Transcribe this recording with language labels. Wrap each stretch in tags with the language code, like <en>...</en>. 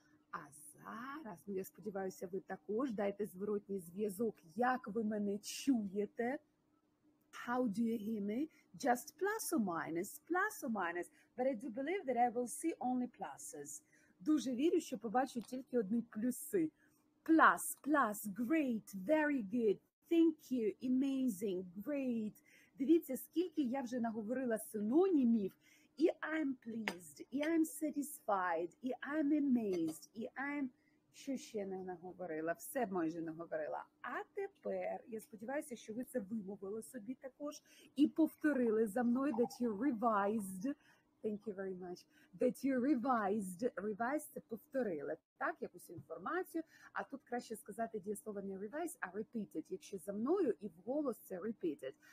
<uk>А зараз, ну я сподіваюся, ви також дайте зворотній зв'язок, як ви мене чуєте.</uk> <en>How do you hear me? Just plus or minus, but I do believe that I will see only pluses.</en> <uk>Дуже вірю, що побачу тільки одні плюси.</uk> <en>Plus, plus, great, very good, thank you, amazing, great.</en> <uk>Дивіться, скільки я вже наговорила синонімів.</uk> <en>І I'm pleased, і I'm satisfied, і I'm amazed, і I'm...</en> <uk>Що ще не наговорила? Все майже наговорила. А тепер, я сподіваюся, що ви це вимовили собі також і повторили за мною,</uk> <en>that you revised... Thank you very much. That you revised.</en> <uk>Revised – це повторили, так, якусь інформацію. А тут краще сказати дієслово не revise, а repeated, якщо за мною і в голос це repeated.</uk>